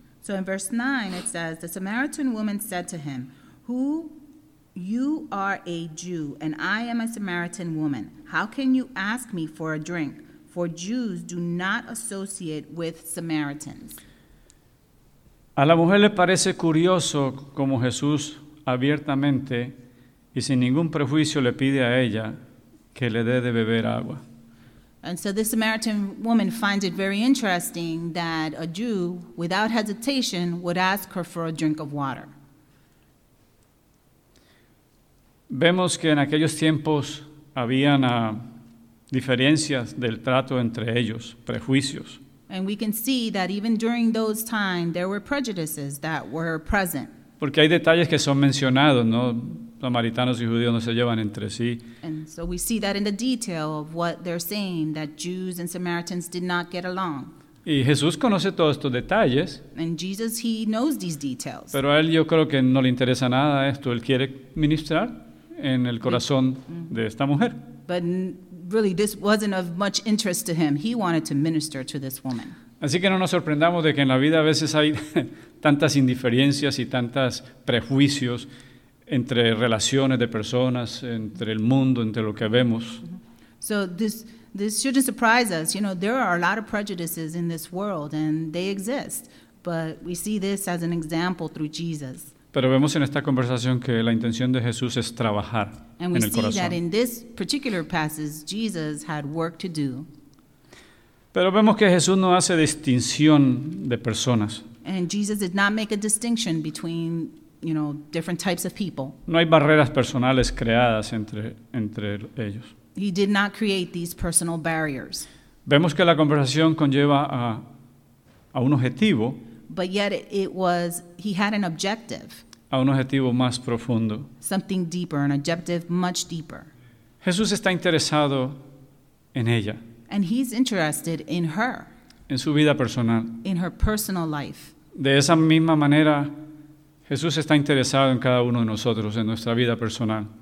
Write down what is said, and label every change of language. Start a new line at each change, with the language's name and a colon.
English: So in verse 9, it says, the Samaritan woman said to him, "Who? You are a Jew, and I am a Samaritan woman. How can you ask me for a drink? For Jews do not associate with Samaritans."
Spanish: A la mujer le parece curioso como Jesús abiertamente y sin ningún prejuicio le pide a ella que le dé de beber agua.
English: And so this Samaritan woman finds it very interesting that a Jew, without hesitation, would ask her for a drink of water.
Spanish: Vemos que en aquellos tiempos habían diferencias del trato entre ellos, prejuicios.
English: And we can see that even during those times, there were prejudices that were present.
Spanish: Porque hay detalles que son mencionados, ¿no? Samaritanos y judíos no se llevan entre sí.
English: And so we see that in the detail of what they're saying, that Jews and Samaritans did not get along.
Spanish: Y Jesús conoce todos estos detalles.
English: And Jesus, he knows these details.
Spanish: Pero a él yo creo que no le interesa nada esto. Él quiere ministrar en el corazón de esta mujer.
English: But really, this wasn't of much interest to him. He wanted to minister to this woman.
Spanish: Así que no nos sorprendamos de que en la vida a veces hay tantas indiferencias y tantas prejuicios entre relaciones de personas, entre el mundo, entre lo que vemos.
English: So this shouldn't surprise us. You know, there are a lot of prejudices in this world, and they exist. But we see this as an example through Jesus.
Spanish: Pero vemos en esta conversación que la intención de Jesús es trabajar en el corazón.
English: And we see that in this particular passage, Jesus had work to do.
Spanish: Pero vemos que Jesús no hace distinción de personas.
English: And Jesus did not make a distinction between, you know, different types of people.
Spanish: No hay barreras personales creadas entre ellos.
English: He did not create these personal barriers.
Spanish: Vemos que la conversación conlleva a un objetivo.
English: But yet he had an objective.
Spanish: A un objetivo más profundo.
English: Something deeper, an objective much deeper.
Spanish: Jesús está interesado en ella.
English: And he's interested in her.
Spanish: En su vida personal.
English: In her personal life.
Spanish: De esa misma manera, Jesús está interesado en cada uno de nosotros, en nuestra vida personal.